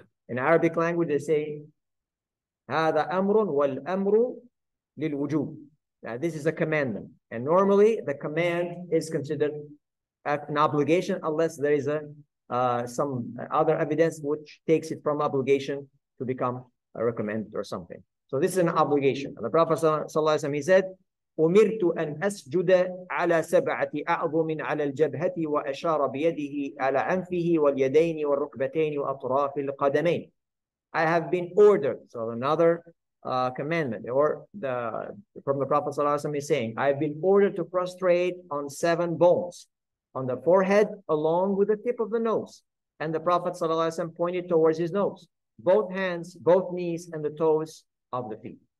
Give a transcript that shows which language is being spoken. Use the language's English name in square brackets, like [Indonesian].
[English] In Arabic language, they say, [Arabic] هذا أمر والأمر للوجوب. [English] Now, this is a commandment. And normally, the command is considered an obligation unless there is some other evidence which takes it from obligation to become a recommended or something. So this is an obligation. And the Prophet Sallallahu Alaihi Wasallam, he said, [Arabic] أمرت أن أسجد على سبعة أعظم على الجبهة وأشار بيده على أنفه واليدين والركبتين وأطراف القدمين. [English] I have been ordered. So another commandment, or from the Prophet صلى الله عليه وسلم is saying, I have been ordered to prostrate on 7 bones, on the forehead along with the tip of the nose. And the Prophet صلى الله عليه وسلم pointed towards his nose, both hands, both knees, and the toes of the feet.